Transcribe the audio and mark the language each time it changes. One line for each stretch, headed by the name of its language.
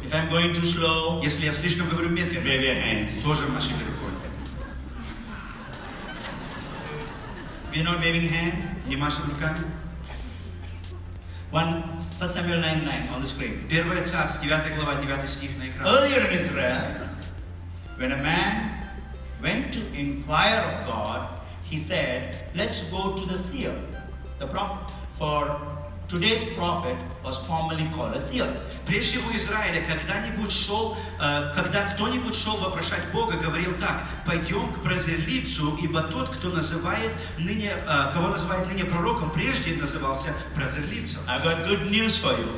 English: If I'm going too slow,
Russian: если я слишком говорю медленно,
English: you can wave your hands.
Russian: Тоже машите рукой.
English: We're not waving hands.
Russian: Не машем руками.
English: 1 Samuel 9:9 on the screen.
Russian: Первая Царств 9 глава 9 стих на экране.
English: Earlier in Israel, when a man went to inquire of God, he said, let's go to the seer, the prophet, for Today's prophet was formerly called a seer.
Russian: Прежде у Израиля когда-нибудь шел, когда кто-нибудь шел вопрошать Бога, говорил так: «Пойдем к прозорливцу, ибо тот, кто называет ныне, кого называет ныне пророком, прежде назывался прозорливцем».
English: I got good news for you.